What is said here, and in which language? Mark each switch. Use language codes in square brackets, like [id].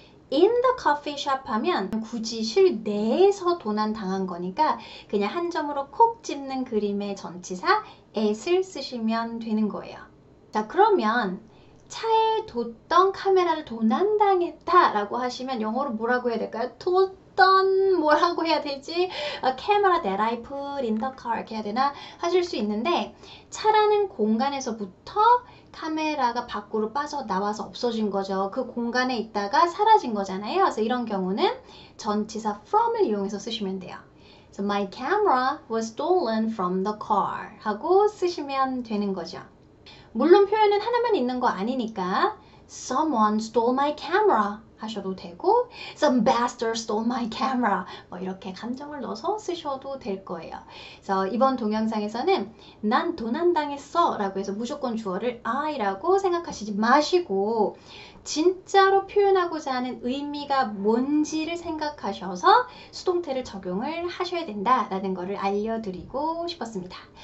[en] In the coffee shop [ko] 하면 굳이 실내에서 도난당한 거니까 그냥 한 점으로 콕 찍는 그림의 전치사 at을 쓰시면 되는 거예요. 자, 그러면 차에 뒀던 카메라를 도난당했다라고 하시면 영어로 뭐라고 해야 될까요? 뒀던 뭐라고 해야 되지? [en] A camera that I put in the car [ko] 이렇게 해야 되나? 하실 수 있는데 차라는 공간에서부터 카메라가 밖으로 빠져나와서 없어진 거죠. 그 공간에 있다가 사라진 거잖아요. 그래서 이런 경우는 전치사 from을 이용해서 쓰시면 돼요. [en] So my camera was stolen from the car [ko] 하고 쓰시면 되는 거죠. 물론 표현은 하나만 있는 거 아니니까 [en] someone stole my camera [ko] 하셔도 되고 [en] some bastard stole my camera [ko] 뭐 이렇게 감정을 넣어서 쓰셔도 될 거예요. 그래서 이번 동영상에서는 난 도난당했어라고 해서 무조건 주어를 I라고 생각하시지 마시고 진짜로 표현하고자 하는 의미가 뭔지를 생각하셔서 수동태를 적용을 하셔야 된다라는 거를 알려드리고 싶었습니다.